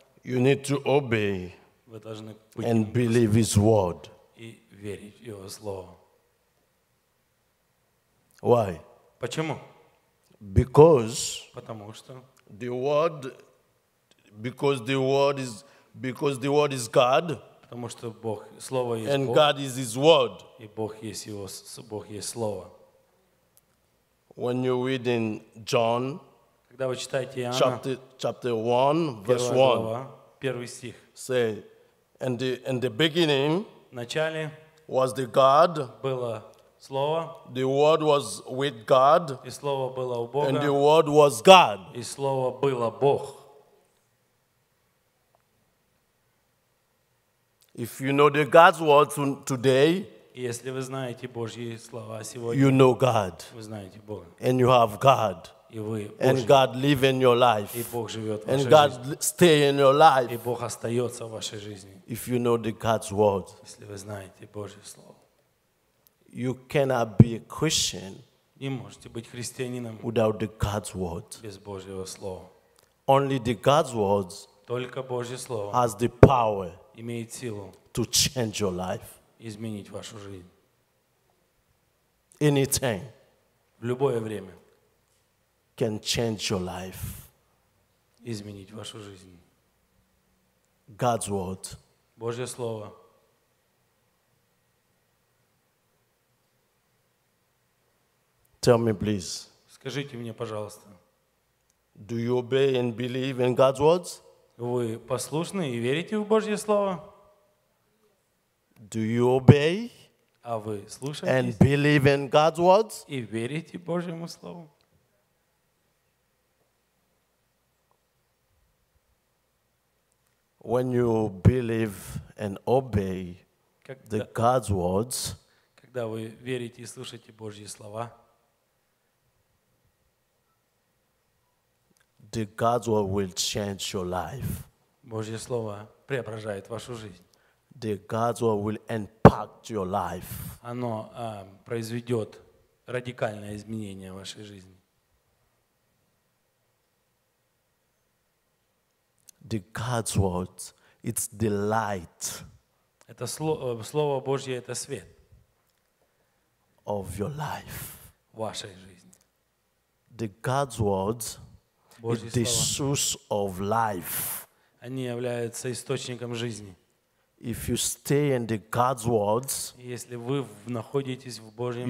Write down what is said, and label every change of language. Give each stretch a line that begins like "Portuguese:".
English: you need to obey and believe His word.
Russian: И верить Его слово.
English: Why?
Russian: Почему?
English: Because.
Russian: Потому что.
English: The word, because the word is God.
Russian: Потому что Бог, слово есть Бог.
English: And God is His word.
Russian: И Бог есть Его, Бог есть слово.
English: When you read in John.
Russian: Когда вы читаете Иоанна,
English: chapter 1, verse 1,
Russian: первый стих,
English: say, in the beginning,
Russian: в начале,
English: was the God,
Russian: было слово,
English: the Word was with God,
Russian: и слово было у Бога,
English: and the Word was God,
Russian: и слово было Бог.
English: If you know the God's word today,
Russian: если вы знаете Божьи слова сегодня,
English: you know God,
Russian: вы знаете Бога,
English: and you have God.
Russian: И вы,
English: and God live in your life.
Russian: И Бог живет в
English: and God
Russian: жизни.
English: Stay in your life.
Russian: И Бог остается в вашей жизни.
English: If you know the God's word,
Russian: если вы знаете Божье слово,
English: you cannot be a Christian.
Russian: Не можете быть христианином.
English: Without the God's word.
Russian: Без Божьего слова.
English: Only the God's words.
Russian: Только Божье слово.
English: Has the power.
Russian: Имеет силу.
English: To change your life.
Russian: Изменить вашу жизнь.
English: Anything.
Russian: В любое время.
English: Can change your life.
Russian: Изменить вашу жизнь.
English: God's word.
Russian: Божье слово.
English: Tell me, please.
Russian: Скажите мне, пожалуйста.
English: Do you obey and believe in God's words?
Russian: Вы послушны и верите в Божье слово?
English: Do you obey?
Russian: А вы слушаете?
English: And believe in God's words?
Russian: И верите Божьему слову?
English: When you believe and obey the God's words,
Russian: когда вы верите и слушаете Божьи слова,
English: the God's word will change your life.
Russian: Божье слово преображает вашу жизнь.
English: the God's word will impact your life.
Russian: Оно произведет радикальное изменение в вашей жизни.
English: The God's word, it's the light.
Russian: Это слово Божье, это свет.
English: Of your life.
Russian: Вашей жизни.
English: The God's word,
Russian: Божьи
English: it's
Russian: слова.
English: The source of life.
Russian: Они являются источником жизни.
English: If you stay in the God's words,
Russian: если вы находитесь в Божьем